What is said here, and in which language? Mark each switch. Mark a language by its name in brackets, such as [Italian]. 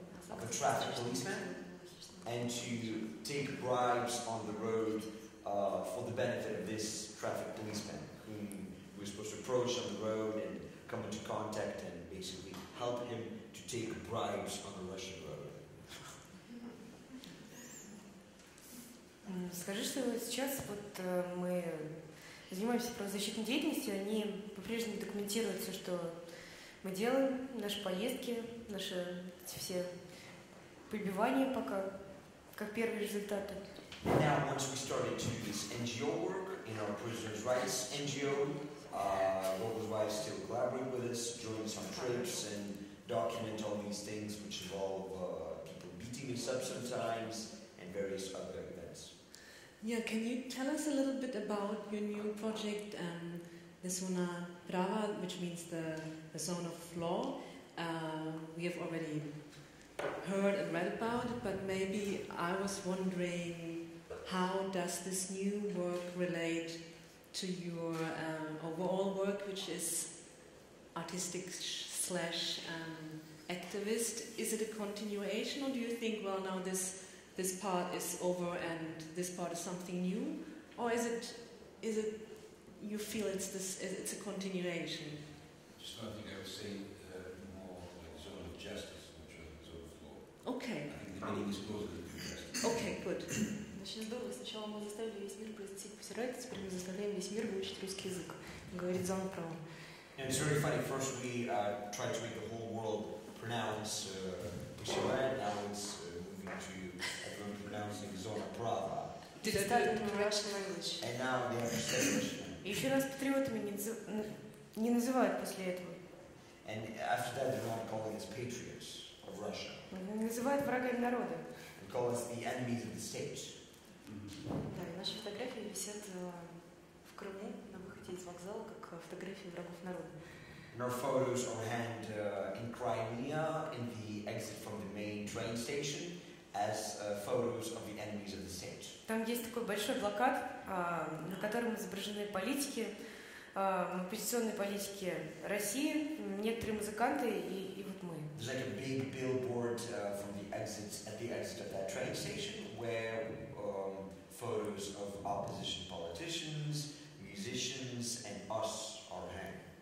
[English] of a traffic policeman, and to take bribes on the road for the benefit of this traffic policeman, whom we're supposed to approach on the road and come into contact and basically help him to take bribes on the Russian road. [Russian] Скажи, что сейчас вот мы занимаемся правозащитной деятельностью, они по-прежнему документируют все, что мы делаем, наши поездки, наши все побивания пока, как первые результаты. [English] Now, once we started to do this NGO work in our prisoners' rights NGO, Global Rights still collaborate with us, join some trips and document all these things, which involve people beating us up sometimes and various other events. Yeah, can you tell us a little bit about your new project, the Zona Brava, which means the zone of law? We have already heard and read about it, but maybe I was wondering, how does this new work relate to your overall work, which is artistic slash activist? Is it a continuation, or do you think, well, now this part is over and this part is something new, or is it you feel it's a continuation? Just one thing I would say, more like zone of justice, not zone of law. Okay. I think the meaning is closer to justice. Okay, good. [Russian] Очень здорово. Сначала мы заставили весь мир произнести посирать, теперь мы заставляем весь мир выучить русский язык. Говорит зона права. [English] And it's very funny. First we tried to make the whole world pronounce посирать, now it's moving to everyone pronouncing zona права. Did it start in Russian language? And now they understand. [Russian] Еще раз патриотами не называют после этого. [English] And after that they're not calling us patriots of Russia. [Russian] Называют врагами народа. [English] They call us the enemies of the state. [Russian] Да, и наши фотографии висят в Крыму на выходе из вокзала, как фотографии врагов народа. [English] And our photos are hanged in Crimea, in the exit from the main train station, as photos of the enemies of the state. [Russian] Там есть такой большой плакат, на котором изображены политики, оппозиционные политики России, некоторые музыканты и вот мы. [English] There's like a big billboard from the exit, at the exit of that train station, where photos of opposition politicians, musicians, and us are hanged.